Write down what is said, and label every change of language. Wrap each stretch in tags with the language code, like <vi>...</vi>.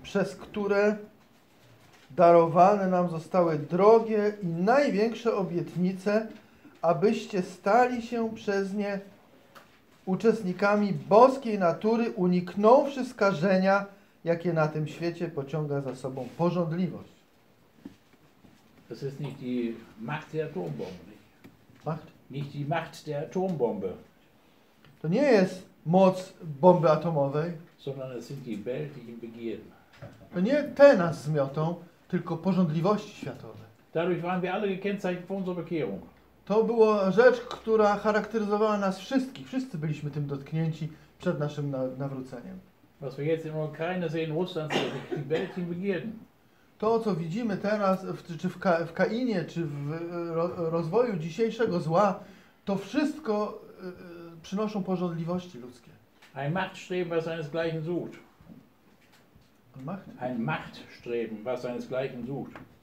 <pl>Przez które darowane nam zostały drogie i największe obietnice, abyście stali się przez nie uczestnikami boskiej natury, uniknąwszy skażenia, jakie na tym świecie pociąga za sobą pożądliwość.</pl> <de>Das ist nicht die Macht der Atombombe. Macht? Nicht die Macht der Atombombe.</de> <pl>To nie jest moc bomby atomowej.</pl> <de>Sondern es sind die weltlichen Begierden.</de> <pl>To nie te nas zmiotą, tylko pożądliwości światowe.</pl> <de>Dadurch waren wir alle gekennzeichnet von unserer Bekehrung.</de> <pl>To była rzecz, która charakteryzowała nas wszystkich. Wszyscy byliśmy tym dotknięci przed naszym nawróceniem.</pl> <de>Was wir jetzt in Ukraine sehen, Russland, sind die weltlichen Begierden.</de> <pl>To, co widzimy teraz, czy w Kainie, czy w rozwoju dzisiejszego zła, to wszystko przynoszą pożądliwości ludzkie.</pl> <de>Ein Machtstreben, was seinesgleichen sucht. Macht? Ein Machtstreben, was seinesgleichen sucht.</de>